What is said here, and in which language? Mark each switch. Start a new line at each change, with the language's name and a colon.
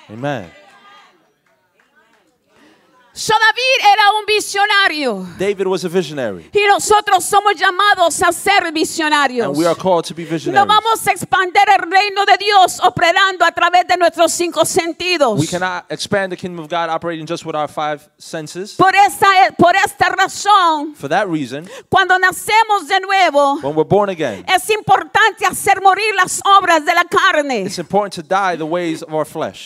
English: Amen.
Spanish: So David era un visionario.
English: David was a visionary.
Spanish: Y nosotros somos llamados a ser visionarios.
English: And we are called to be visionaries.
Spanish: No vamos a expandir el reino de Dios operando a través de nuestros cinco sentidos.
English: We cannot expand the kingdom of God operating just with our five senses.
Spanish: Por esta razón.
English: For that reason.
Spanish: Cuando nacemos de nuevo.
English: When we're born again.
Spanish: Es importante hacer morir las obras de la carne.
English: It's important to die the ways of our flesh.